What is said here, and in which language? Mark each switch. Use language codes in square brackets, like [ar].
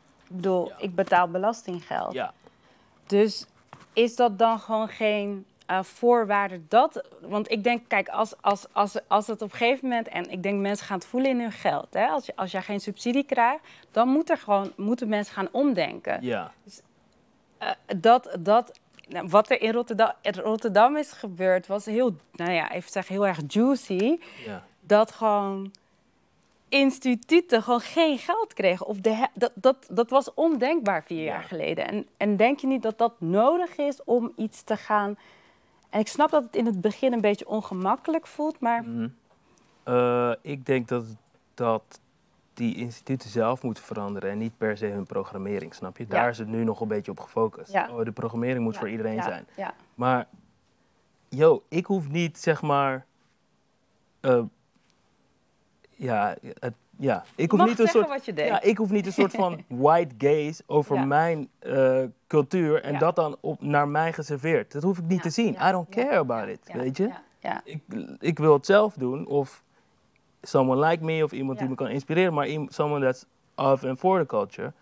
[nl] Ik bedoel, ik betaal belastinggeld. Ja. Dus is dat dan gewoon geen... voorwaarden dat... Want ik denk, kijk, als het op een gegeven moment... En ik denk, mensen gaan het voelen in hun geld. Hè? Als jij geen subsidie krijgt, dan moeten mensen gaan omdenken. Ja. Dus, wat er in Rotterdam is gebeurd, was heel... Nou ja, even zeggen, heel erg juicy. Ja. Dat gewoon instituten gewoon geen geld kregen. Of dat was ondenkbaar 4 jaar geleden. En denk je niet dat dat nodig is om iets te gaan... En ik snap dat het in het begin een beetje ongemakkelijk voelt, maar... Ik denk dat die instituten zelf moeten veranderen en niet per se hun programmering, snap je? Ja. Daar is het nu nog een beetje op gefocust. Ja. Oh, de programmering moet voor iedereen zijn. Ja. Maar, ik hoef niet, zeg maar... ik hoef mag niet een soort, wat je denkt. Ja, ik hoef niet een soort van white gaze over mijn cultuur... en dat dan naar mij geserveerd. Dat hoef ik niet te zien. [en] I don't care about it, [nl] weet je? Ja. Ik wil het zelf doen. Of [en] someone like me [nl] of iemand die me kan inspireren... maar [en] someone that's of and for the culture.